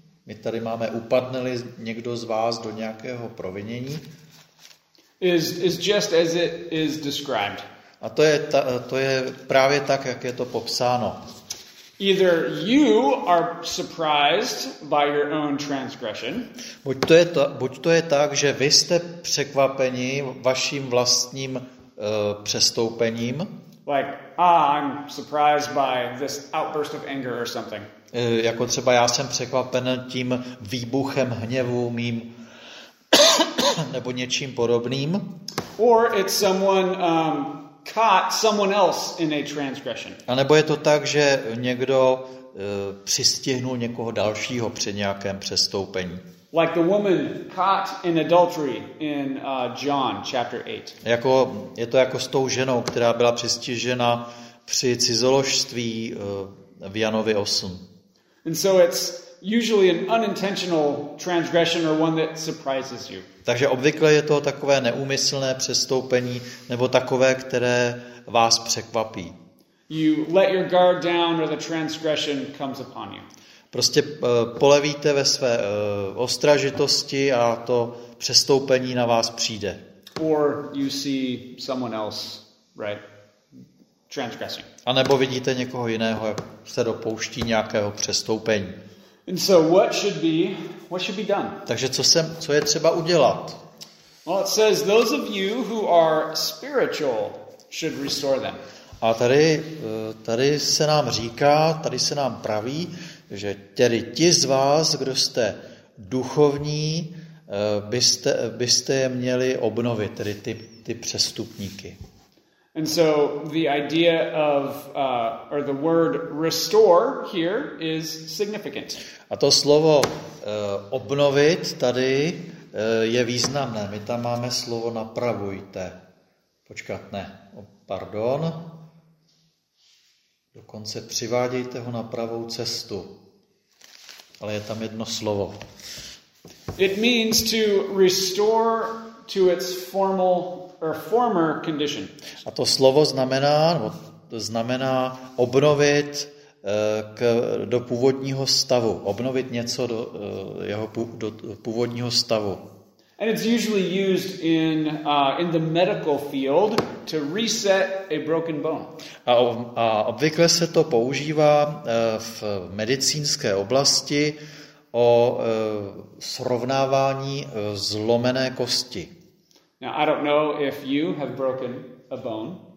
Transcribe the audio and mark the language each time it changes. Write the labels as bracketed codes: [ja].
[cs] My tady máme upadne-li někdo z vás do nějakého provinění. [en] Is just as it is described. [cs] A to je právě tak, jak je to popsáno. [en] Either you are surprised by your own transgression. [cs] Buď to je tak, že vy jste překvapeni vaším vlastním přestoupením. [en] Like, I'm surprised by this outburst of anger or something. [cs] Jako třeba já jsem překvapen tím výbuchem hněvu mým nebo něčím podobným. [en] Or it's someone caught someone else in a transgression. [cs] A nebo je to tak, že někdo přistihnul někoho dalšího při nějakém přestoupení. [en] Like the woman caught in adultery in John chapter 8. [cs] Jako je to jako s tou ženou, která byla přistižena při cizoložství v Janovi 8. [en] And so it's usually an unintentional transgression or one that surprises you. [cs] Takže obvykle je to takové neúmyslné přestoupení nebo takové, které vás překvapí. [en] You let your guard down or the transgression comes upon you. [cs] Prostě polevíte ve své ostražitosti a to přestoupení na vás přijde. [en] Or you see someone else, right? Transgressing. [cs] A nebo vidíte někoho jiného, jak se dopouští nějakého přestoupení. [en] And so what should be done? [cs] Takže co je třeba udělat? [en] Well, it says those of you who are spiritual should restore them. [cs] A tady se nám říká, tady se nám praví, že tedy ti z vás, kdo jste duchovní, byste je měli obnovit, tedy ty přestupníky. [en] And so the idea of or the word restore here is significant. [cs] A to slovo obnovit tady je významné. My tam máme slovo napravujte. Počkat, ne. Pardon. Dokonce přivádějte ho na pravou cestu. Ale je tam jedno slovo. [en] It means to restore to its formal or former condition. [cs] A to slovo znamená obnovit do původního stavu, obnovit něco do původního stavu. [en] And it's usually used in the medical field to reset a broken bone. [cs] A obvykle se to používá v medicínské oblasti o srovnávání zlomené kosti. [en] Now, I don't know if you have broken a bone.